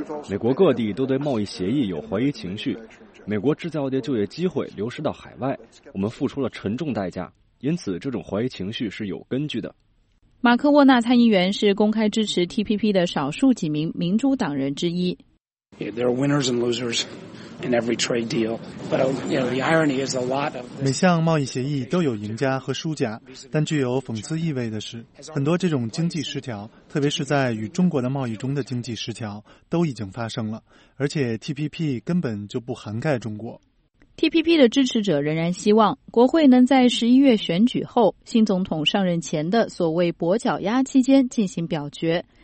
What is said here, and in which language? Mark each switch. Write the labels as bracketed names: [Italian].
[Chinese] 美国各地都对贸易协议有怀疑情绪，美国制造业就业机会流失到海外，我们付出了沉重代价，因此这种怀疑情绪是有根据的。马克·沃纳参议员是公开支持 TPP 的少数几名民主党人之一。 [English] Yeah, there are winners and losers in every trade deal, but you know, the irony is a lot of [Chinese] 每项贸易协议都有赢家和输家，但具有讽刺意味的是，很多这种经济失调，特别是在与中国的贸易中的经济失调，都已经发生了，而且 TPP 根本就不涵盖中国。 TPP 的支持者仍然希望国会能在11月选举后，新总统上任前的所谓跛脚鸭期间进行表决。